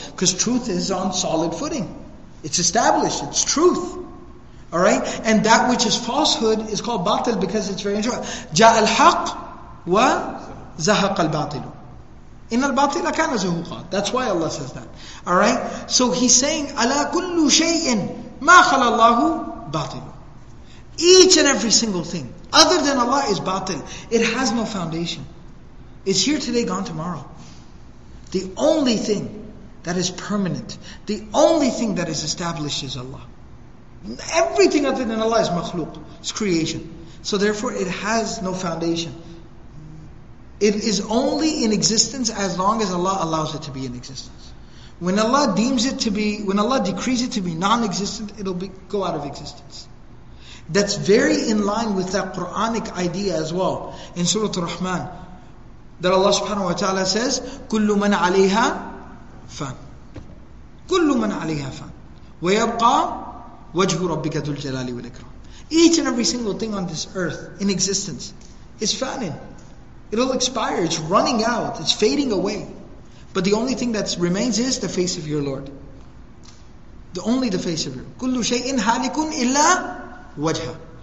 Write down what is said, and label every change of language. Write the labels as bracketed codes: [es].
[en] Because truth is on solid footing. It's established, it's truth. Alright? And that which is falsehood is called batil because it's very enjoyable. [ar] جَاءَ الْحَقْ وَزَهَقَ الْبَاطِلُ. إن الباطل كان زهوقا. [en] That's why Allah says that. Alright? So he's saying, [ar] على كل شيء ما خلى الله باطل. [en] Each and every single thing other than Allah is batil. It has no foundation. It's here today, gone tomorrow. The only thing that is permanent, the only thing that is established is Allah. Everything other than Allah is makhluq, it's creation. So therefore it has no foundation. It is only in existence as long as Allah allows it to be in existence. When Allah deems it to be, when Allah decrees it to be non-existent, it'll be, go out of existence. That's very in line with that Quranic idea as well. In Surah Ar-Rahman, that Allah subhanahu wa ta'ala says, [ar] كُلُّ مَنْ عَلَيْهَا فَانْ كُلُّ مَنْ عَلَيْهَا فَانْ وَيَبْقَى وَجْهُ رَبِّكَ ذُو الْجَلَالِ وَالْإِكْرَامِ. [en] Each and every single thing on this earth in existence is fanin. It'll expire, it's running out, it's fading away. But the only thing that remains is the face of your Lord. The only the face of your Lord. [ar] كُلُّ شَيْءٍ هَالِكٌ إِلَّا وَجْهَ.